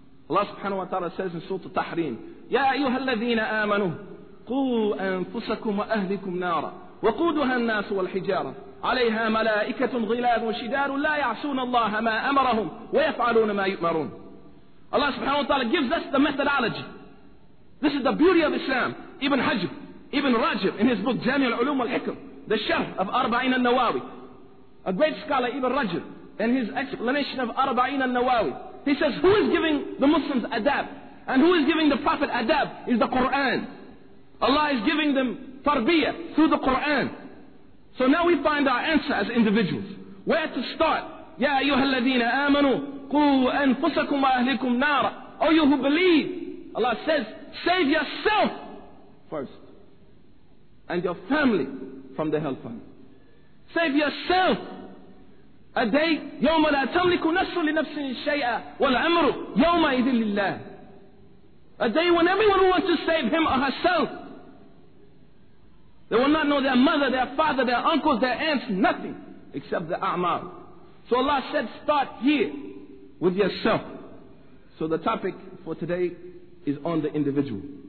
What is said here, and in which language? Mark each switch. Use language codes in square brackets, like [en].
[en] Allah subhanahu wa ta'ala says in Surah Tahrim, [ar] يَا أَيُّهَا الَّذِينَ آمَنُوا قُوا أَنفُسَكُمْ وَأَهْلِكُمْ نَارًا وَقُودُهَا النَّاسُ وَالْحِجَارَةُ عَلَيْهَا مَلَائِكَةٌ غِلَاظٌ شِدَادٌ لَا يَعْصُونَ اللَّهَ مَا أَمَرَهُمْ وَيَفْعَلُونَ مَا يُؤْمَرُونَ. [en] Allah subhanahu wa ta'ala gives us the methodology. This is the beauty of Islam. Ibn Hajr, Ibn Rajab, in his book Jami' al-Ulum al-Hikam, the Sharh of Arba'in al-Nawawi, a great scholar, Ibn Rajab, in his explanation of Arba'in al-Nawawi, he says, who is giving the Muslims adab? And who is giving the Prophet adab? Is the Qur'an. Allah is giving them tarbiyah through the Qur'an. So now we find our answer as individuals. Where to start? [ar] Ya ayyuha alladhina amanu, qu anfusakum wa ahlikum nara. [en] O you who believe, Allah says, save yourself first. And your family from the hellfire. Save yourself. [ar] A day, يَوْمَ لَا تَمْلِكُ نَفْسٌ لِنَفْسٍ شَيْئًا وَالْعَمْرُ يَوْمَ إِذٍ لِلَّهِ. [en] A day when everyone will want to save him or herself. They will not know their mother, their father, their uncles, their aunts, nothing except the a'mal. So Allah said, start here with yourself. So the topic for today is on the individual.